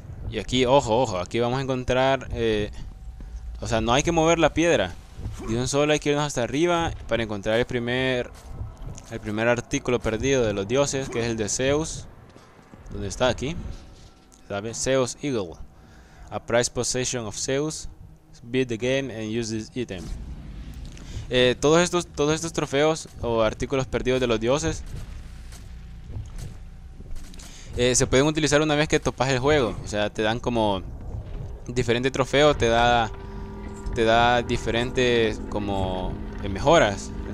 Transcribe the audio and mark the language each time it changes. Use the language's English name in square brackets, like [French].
[Spanish] Y aquí, ojo, ojo, aquí vamos a encontrar... o sea, no hay que mover la piedra. De un solo hay que irnos hasta arriba para encontrar el primer... el primer artículo perdido de los dioses, que es el de Zeus. ¿Dónde está aquí? ¿Sabes? Zeus Eagle. [English] A prized possession of Zeus. Beat the game and use this item. [Spanish] Todos estos trofeos o artículos perdidos de los dioses... se pueden utilizar una vez que topas el juego. O sea, te dan como... diferente trofeo, te da... te da diferentes como... mejoras.